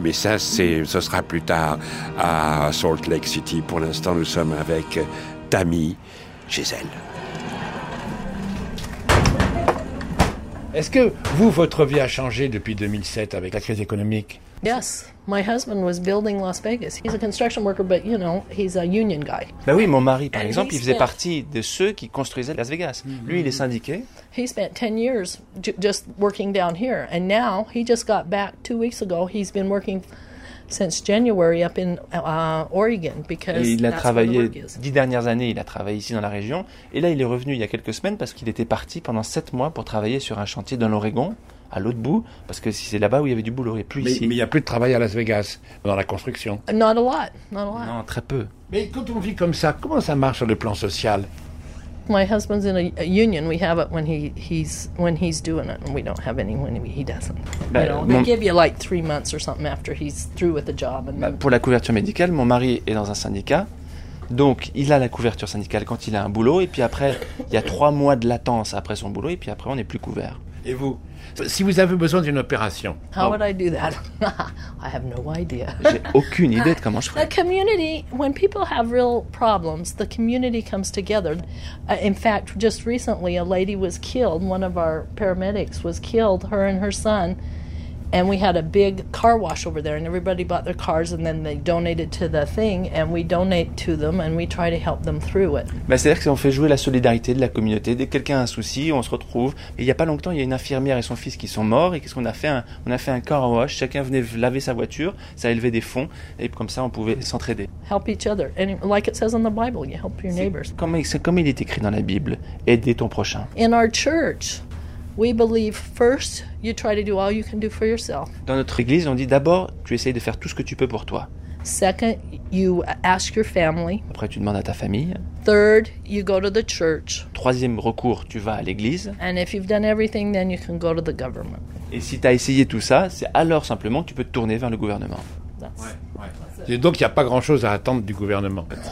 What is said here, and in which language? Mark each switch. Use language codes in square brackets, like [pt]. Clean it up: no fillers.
[fr] Mais ça, ce sera plus tard à Salt Lake City. Pour l'instant, nous sommes avec Tammy Giselle. Est-ce que vous, votre vie a changé depuis 2007 avec la crise économique? [en] Yes, my husband was building Las Vegas. He's a construction worker, but you know, he's a union guy. [fr] Ben oui, mon mari, par exemple, il faisait partie de ceux qui construisaient Las Vegas. Mm-hmm. Lui, il est syndiqué. [en] He spent 10 years just working down here, and now he just got back 2 weeks ago. He's been working since January up in Oregon because [fr] il a travaillé 10 dernières années, il a travaillé ici dans la région et là il est revenu il y a quelques semaines parce qu'il était parti pendant 7 mois pour travailler sur un chantier dans l'Oregon à l'autre bout parce que si c'est là-bas où il y avait du boulot, il n'y a plus ici. Mais il y a plus de travail à Las Vegas dans la construction. [en] Not a lot. [fr] Non, très peu. Mais quand on vit comme ça, comment ça marche sur le plan social? [en] My husband's in a union. We have it when he's doing it, and we don't have any when he doesn't. They give you like 3 months or something after he's through with the job. And [fr] pour la couverture médicale, mon mari est dans un syndicat, donc il a la couverture syndicale quand il a un boulot, et puis après il y a 3 mois de latence après son boulot, et puis après on n'est plus couvert. Et vous, si vous avez besoin d'une opération, [en] how would I do that? I have no idea. [fr] J'ai aucune idée de comment je ferais. [en] The community, when people have real problems, the community comes together. In fact, just recently, a lady was killed. One of our paramedics was killed. Her and her son. And we had a big car wash over there, and everybody bought their cars, and then they donated to the thing, and we donate to them, and we try to help them through it. [fr] Bah, c'est-à-dire qu'on fait jouer la solidarité de la communauté. Dès que quelqu'un a un souci, on se retrouve. Et il n'y a pas longtemps, il y a une infirmière et son fils qui sont morts, et qu'est-ce qu'on a fait? On a fait un car wash. Chacun venait laver sa voiture, ça a élevé des fonds, et comme ça, on pouvait s'entraider. [en] Help each other. And like it says in the Bible, you help your neighbors. [fr] Comme il est écrit dans la Bible, aider ton prochain. [en] In our church, we believe first you try to do all you can do for yourself. [fr] Dans notre église, on dit d'abord, tu essayes de faire tout ce que tu peux pour toi. [en] Second, you ask your family. [fr] Après, tu demandes à ta famille. [en] Third, you go to the church. [fr] Troisième recours, tu vas à l'église. [en] And if you've done everything, then you can go to the government. [fr] Et si tu as essayé tout ça, c'est alors simplement que tu peux te tourner vers le gouvernement. Et donc, il n'y a pas grand-chose à attendre du gouvernement.